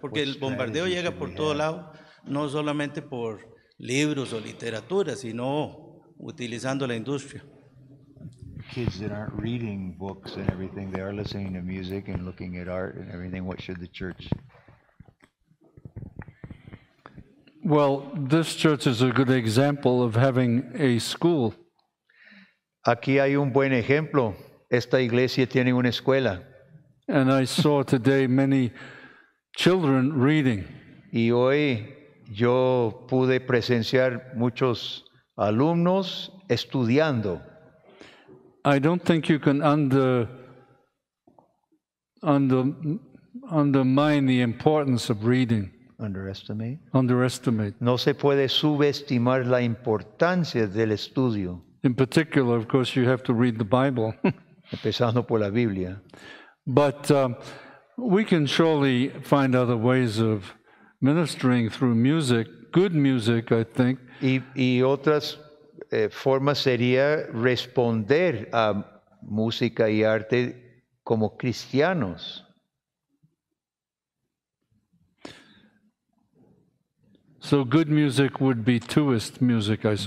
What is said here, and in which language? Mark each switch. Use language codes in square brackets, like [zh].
[es] Porque el bombardeo llega por todo lado, no solamente por libros o literatura, sino utilizando la industria. [en] Kids that aren't reading books and everything, they are listening to music and looking at art and everything. What should the church? Well, this church is a good example of having a school. [es] Aquí hay un buen ejemplo. Esta iglesia tiene una escuela. [en] And I saw today many children reading. [es] Y hoy yo pude presenciar muchos alumnos estudiando. [en] I don't think you can undermine the importance of reading. Underestimate. [es] No se puede subestimar la importancia del estudio. [en] In particular, of course, you have to read the Bible. [es] Empezando por la Biblia. [en] But we can surely find other ways of ministering through music, good music, I think. [es] Y otras formas sería responder a música y arte como cristianos. [en] So good music would be twoist music, I suppose.